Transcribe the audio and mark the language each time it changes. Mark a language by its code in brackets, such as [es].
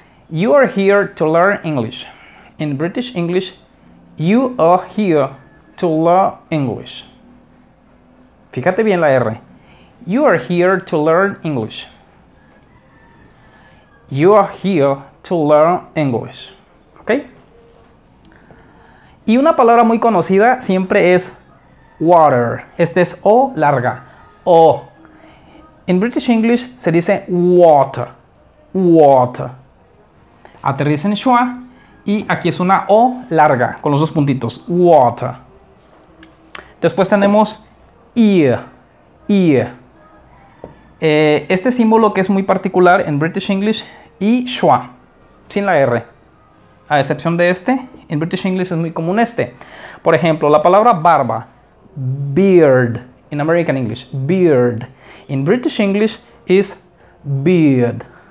[en] You are here to learn English. In British English, you are here to learn English. Fíjate bien la R. You are here to learn English. You are here to learn English. ¿Ok? [es] Y una palabra muy conocida siempre es water. Este es O larga. O. In British English se dice water. Water. Aterriza en schwa y aquí es una O larga con los dos puntitos. Water. Después tenemos ear. Ear. Este símbolo que es muy particular en British English y schwa, sin la R. A excepción de este, en British English es muy común este. Por ejemplo, la palabra barba. [en] Beard. In American English, beard. In British English is beard.